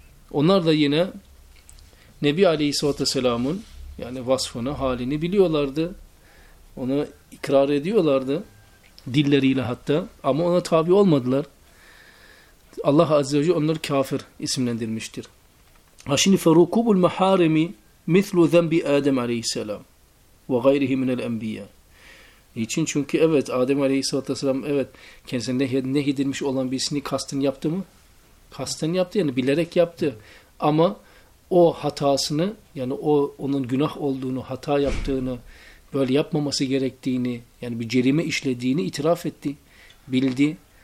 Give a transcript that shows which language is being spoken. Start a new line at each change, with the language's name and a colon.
Turkish: Onlar da yine Nebi Aleyhisselatü Vesselam'ın yani vasfını, halini biliyorlardı. Onu ikrar ediyorlardı. Dilleriyle hatta. Ama ona tabi olmadılar. Allah Azze ve Celle onları kafir isimlendirmiştir. Ha şimdi
Arabic: فَرُكُوبُ الْمَحَارِمِ مِثْلُ ذَنْبِ آدَمْ عَلَيْهِ السَّلَامِ وَغَيْرِهِ مِنَ الْاَنْبِيَّ.
Turkish: Niçin? Çünkü evet, Adem Aleyhisselatü Vesselam evet, kendisine nehyedilmiş olan birisini kastın yaptı mı? Kastın yaptı, yani bilerek yaptı. Ama o hatasını, yani o onun günah olduğunu, hata yaptığını, böyle yapmaması gerektiğini, yani bir cerime işlediğini itiraf etti, bildi.